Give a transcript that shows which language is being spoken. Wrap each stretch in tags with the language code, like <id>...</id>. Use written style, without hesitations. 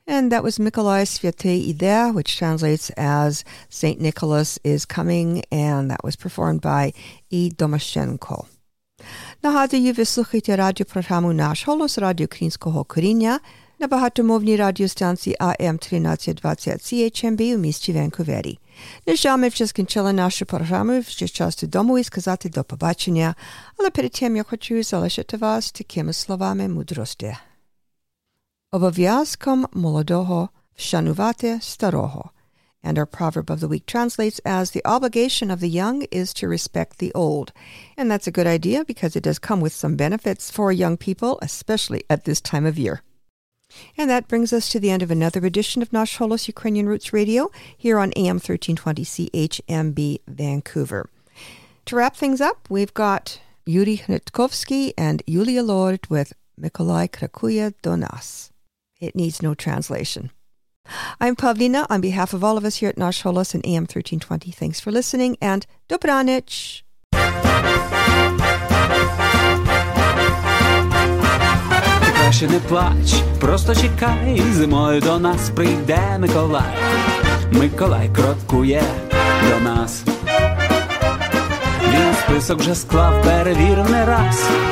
<en>That was Mykolai Svyatye Ide, which translates as St. Nicholas is coming, and that was performed by E. Domashenko.</en> <uk>Нагадую, ви слухаєте радіопрограму «Наш голос» Радіо Українського коріння на багатомовній радіостанції АМ 1320 CHMB у місті Ванкувері. Нещо ми вже скінчили нашу програму, вже час додому і сказати до побачення, але перед тим я хочу залишити вас такими словами мудрості. Обов'язком молодого вшанувати старого.</uk> <en>And our proverb of the week translates as the obligation of the young is to respect the old. And that's a good idea because it does come with some benefits for young people, especially at this time of year. And that brings us to the end of another edition of Nash Holos Ukrainian Roots Radio here on AM 1320 CHMB Vancouver. To wrap things up, we've got Yuri Hnitkovsky and Yulia Lord with Mykolai Krakuje do nas. It needs no translation. I'm Pavlina. On behalf of all of us here at Nash Holos and AM 1320, thanks for listening and Dobranich!</en> <uk>Краще не плач, просто чекай, зимою до нас прийде Миколай. Миколай крокує до нас. Він список вже склав, перевір не раз.</uk>